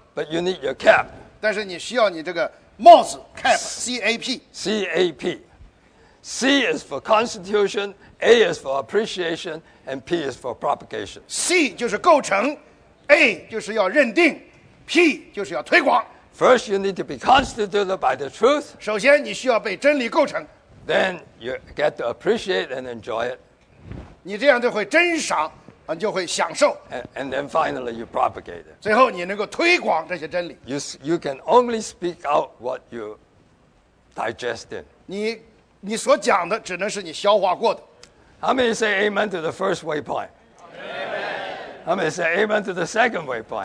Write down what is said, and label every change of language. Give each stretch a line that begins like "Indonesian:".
English: But you need your cap.
Chinese: 但是你需要你这个帽子 cap, C-A-P.
English: C-A-P. C is for constitution, A is for appreciation, and P is for propagation.
Chinese: C 就是构成 ，A 就是要认定 ，P 就是要推广。
English: First, you need to be constituted by the truth.
Chinese: 首先，你需要被真理构成。
English: Then you get to appreciate and enjoy it.
Chinese: 你这样就会珍赏，你就会享受。
English: And then finally you propagate it.
Chinese: 最后你能够推广这些真理。
English: You can only speak out what you digest in.
Chinese: 你所讲的只能是你消化过的。
English: How many say amen to the first waypoint? Amen. How many say amen to the second waypoint?